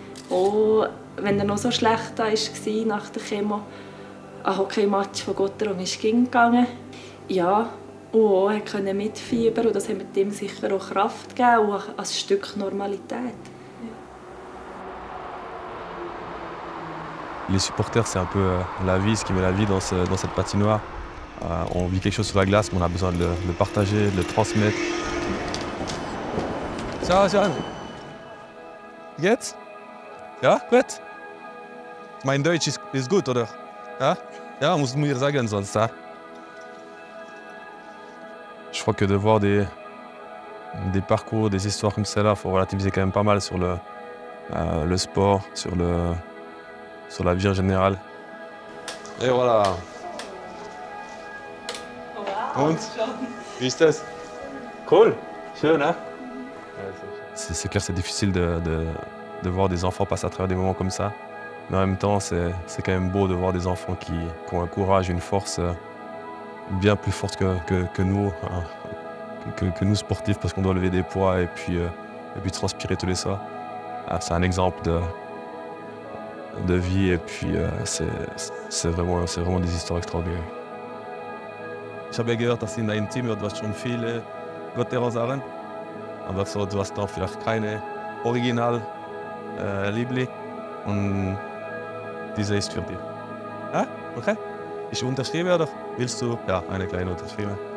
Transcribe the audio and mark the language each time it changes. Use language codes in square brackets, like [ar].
[de] Auch wenn er noch so schlecht war nach der Chemo. Ein Hockeymatch von Gotterung ist gegangen. Ja, und er konnte mitfiebern. Das hat ihm sicher auch Kraft gegeben und ein Stück Normalität. [fr] Les supporters, c'est un peu la vie, ce qui met la vie dans cette patinoire. On vit quelque chose sur la glace, mais on a besoin de le partager, de le transmettre. Ça va, [de] Jan? Geht? Ja, gut? Mein Deutsch ist gut, oder? Ja? Ja, muss ich mir sagen, sonst, ja? [fr] Je crois que de voir des parcours, des histoires comme celle-là, il faut relativiser quand même pas mal sur le sport, sur le. Sur la vie en général. Et voilà. [de] Und? Wie ist das? Cool. Schön, hein? [fr] C'est clair, c'est difficile de voir des enfants passer à travers des moments comme ça. Mais en même temps, c'est quand même beau de voir des enfants qui ont un courage, une force bien plus forte que nous, hein, que nous sportifs, parce qu'on doit lever des poids et puis transpirer tous les soirs. C'est un exemple de vie et puis c'est vraiment des histoires extraordinaires. [de] Ich habe gehört, dass in deinem Team du hast schon viele Gotterungerinnen, aber so du hast noch vielleicht keine Original Liebli und diese ist für dich. Ja, okay. Ich unterschreibe oder willst du? Ja, eine kleine Unterschrift.